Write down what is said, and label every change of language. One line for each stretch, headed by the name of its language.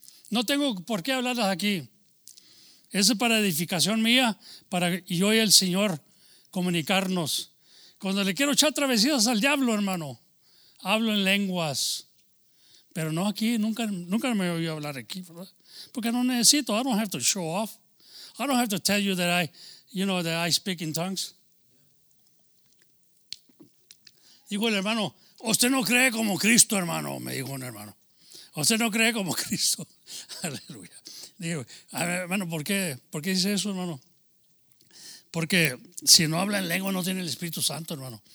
Spanish: No tengo por qué hablarlas aquí. Eso es para edificación mía, para yo y el Señor comunicarnos. Cuando le quiero echar travesías al diablo, hermano, hablo en lenguas, pero no aquí, nunca me he oído hablar aquí, ¿verdad? Porque no necesito,
English: I don't have to show off. I don't have to tell you that I speak in tongues.
Spanish: Dijo el hermano, usted no cree como Cristo, hermano, me dijo un hermano. Usted no cree como Cristo. Aleluya. Dijo, hermano, ¿por qué dice eso, hermano? Porque si no habla en lengua no tiene el Espíritu Santo, hermano.